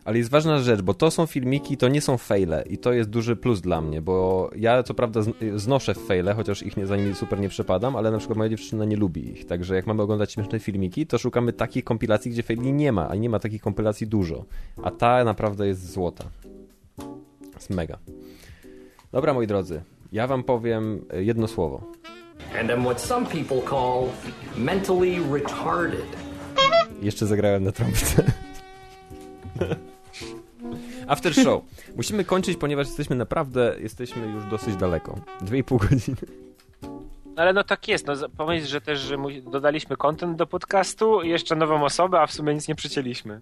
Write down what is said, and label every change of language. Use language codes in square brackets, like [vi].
[pl] Ale jest ważna rzecz, bo to są filmiki, to nie są fejle i to jest duży plus dla mnie, bo ja co prawda znoszę fejle, chociaż ich za nimi super nie przepadam, ale na przykład moja dziewczyna nie lubi ich. Także jak mamy oglądać śmieszne filmiki, to szukamy takich kompilacji, gdzie fejli nie ma, a nie ma takich kompilacji dużo. A ta naprawdę jest złota. Jest mega. Dobra, moi drodzy, ja wam powiem jedno słowo. [en] And I'm what some people call mentally retarded. [pl] Jeszcze zagrałem na trąbce. After show. Musimy kończyć, ponieważ jesteśmy już dosyć daleko. 2,5 godziny. Ale no tak jest. No, pomyśl, że też że dodaliśmy content do podcastu i jeszcze nową osobę, a w sumie nic nie przycięliśmy.